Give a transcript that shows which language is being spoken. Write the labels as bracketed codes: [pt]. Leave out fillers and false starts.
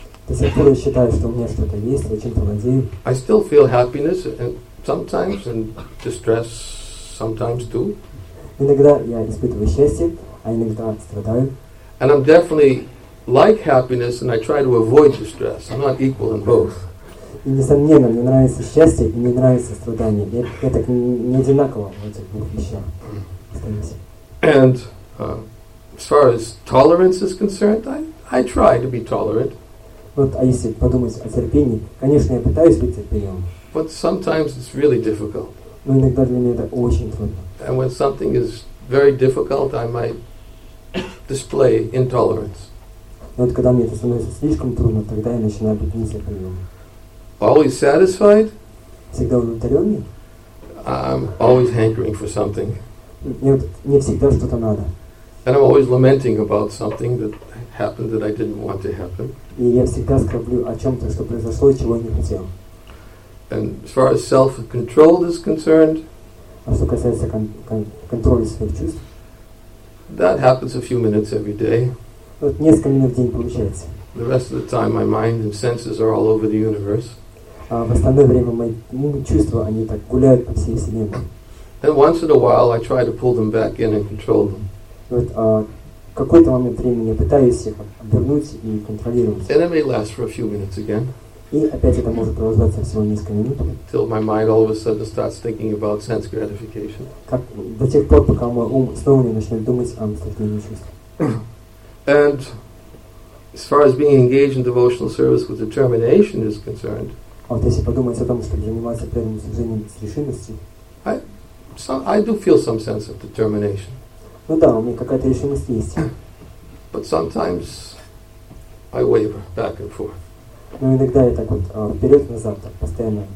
[ru] До сих пор я считаю, что у меня что-то есть, я чем-то владею. [en] I still feel happiness and sometimes and distress sometimes too. [ru] Иногда я испытываю счастье, а иногда страдаю. [en] And I'm definitely like happiness and I try to avoid distress. I'm not equal in both. [ru] И несомненно, мне нравится счастье и мне нравится страдание. Я так не одинаково в этих двух вещах. [en] And as far as tolerance is concerned, I try to be tolerant. [ru] Вот, а если подумать о терпении, конечно, я пытаюсь быть терпеливым. [en] But sometimes it's really difficult. [ru] Но иногда для меня это очень трудно. [en] And when something is very difficult, I might display intolerance. [ru] Но вот когда мне это становится слишком трудно, тогда я начинаю быть нетерпеливым. [en] Always satisfied? [ru] Всегда удовлетворенный? [en] I'm always hankering for something. [ru] Мне всегда что-то надо. [en] And I'm always lamenting about something that happened that I didn't want to happen. [ru] И я всегда скорблю о чем-то, что произошло, чего не хотел. [en] And as far as self-control is concerned, [ru] а что касается контроля своих чувств, [en] that happens a few minutes every day. [ru] Вот несколько минут в день получается. [en] The rest of the time, my mind and senses are all over the universe. [ru] А в остальное время мои чувства, они так гуляют по всей вселенной. [en] Then once in a while, I try to pull them back in and control them. [ru] Вот какой-то момент времени я пытаюсь их обернуть и контролировать. [en] And it may last for a few minutes again. [ru] И опять это может продолжаться всего несколько минут. [en] Till my mind all of a sudden starts thinking about sense gratification. [ru] Как до тех пор, пока мой ум снова не начнет думать о наслаждении чувств. [en] And as far as being engaged in devotional service with determination is concerned, [ru] вот если подумать о том, чтобы заниматься преданным служением с решимостью, [en] I do feel some sense of determination. [ru] Ну да, у меня какая-то решимость есть. [en] But sometimes I waver back and forth. [ru] Но иногда я так вот вперед-назад так постоянно.